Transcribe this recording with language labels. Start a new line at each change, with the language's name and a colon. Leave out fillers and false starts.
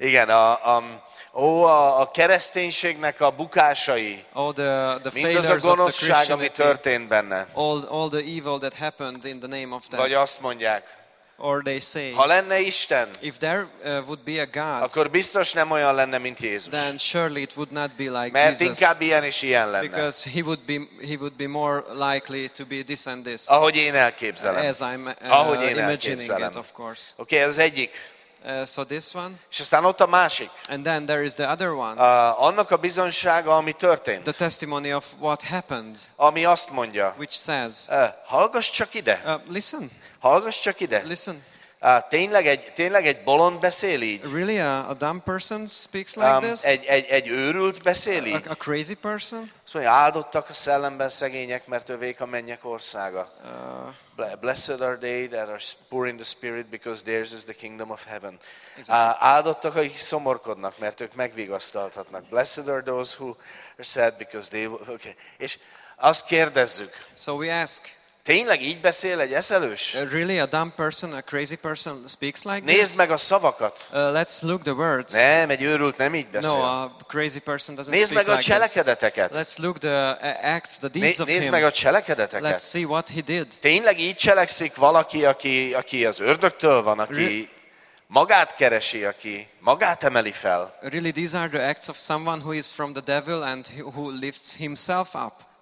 Hungarian: Igen, a kereszténységnek a bukásai.
English: All the
Hungarian: mindaz a gonoszság, ami történt benne.
English: All the evil that happened in the name of them.
Hungarian: Vagy azt mondják.
English: Or they say.
Hungarian: Ha lenne Isten.
English: If there would be a God.
Hungarian: Akkor biztos nem olyan lenne, mint Jézus.
English: Then surely it would not be like
Hungarian: mert
English: Jesus.
Hungarian: Mert inkább ilyen is ilyen lenne.
English: Because he would be more likely to be this and this.
Hungarian: Ahogy én elképzelem.
English: As I'm imagining it, of course.
Hungarian: Okay, az egyik.
English: So this one.
Hungarian: És aztán ott a másik.
English: And then there is the other one.
Hungarian: Annak a bizonysága, ami történt.
English: The testimony of what happened.
Hungarian: Ami azt mondja.
English: Which says.
Hungarian: Hallgass csak ide.
English: Listen.
Hungarian: Hallgass csak ide.
English: Listen.
Hungarian: Tényleg egy bolond beszél így?
English: Really a dumb person speaks like this?
Hungarian: Egy őrült beszél így?
English: A crazy person?
Hungarian: Szóval áldottak a szellemben szegények, mert övék a mennyek országa.
English: Blessed are they that are poor in the spirit because theirs is the kingdom of heaven. Exactly.
Hungarian: Áldottak, akik szomorkodnak, mert ők megvigasztaltatnak.
English: Blessed are those who are sad because they will...
Hungarian: Okay. És azt kérdezzük.
English: So we ask.
Hungarian: Tényleg így beszél egy eszelős?
English: Really a dumb person, a crazy person speaks like
Hungarian: nézd
English: this?
Hungarian: Nézd meg a szavakat.
English: Let's look the words.
Hungarian: Nem, egy őrült nem így beszél.
English: No, a crazy person doesn't
Hungarian: nézd
English: speak like
Hungarian: nézd meg a
English: like
Hungarian: cselekedeteket.
English: This. Let's look the acts, the deeds of him.
Hungarian: Nézd meg a cselekedeteket.
English: Let's see what he did.
Hungarian: Tényleg így cselekszik valaki, aki az ördögtől van, aki magát keresi, aki magát emeli fel.
English: Really these are the acts of someone who is from the devil and who lifts himself up.